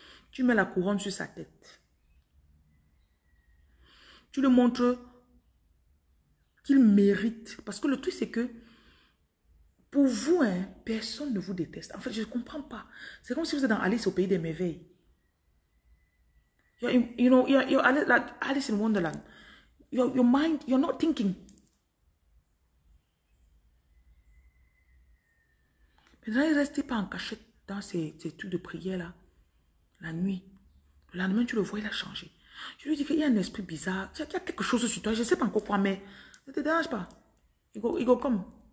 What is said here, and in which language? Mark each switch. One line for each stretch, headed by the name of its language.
French: Tu mets la couronne sur sa tête. Tu lui montres qu'il mérite. Parce que le truc, c'est que pour vous, hein, personne ne vous déteste. En fait, je ne comprends pas. C'est comme si vous êtes dans Alice au pays des merveilles.
English: You're like Alice in Wonderland. Your mind, you're not thinking.
French: Mais là, ne restez pas en cachette dans ces trucs de prière là, la nuit. Le lendemain, tu le vois, il a changé. Je lui dis qu'il y a un esprit bizarre. Il y a quelque chose sur toi. Je ne sais pas encore quoi, mais ne te dérange pas. Il go comme.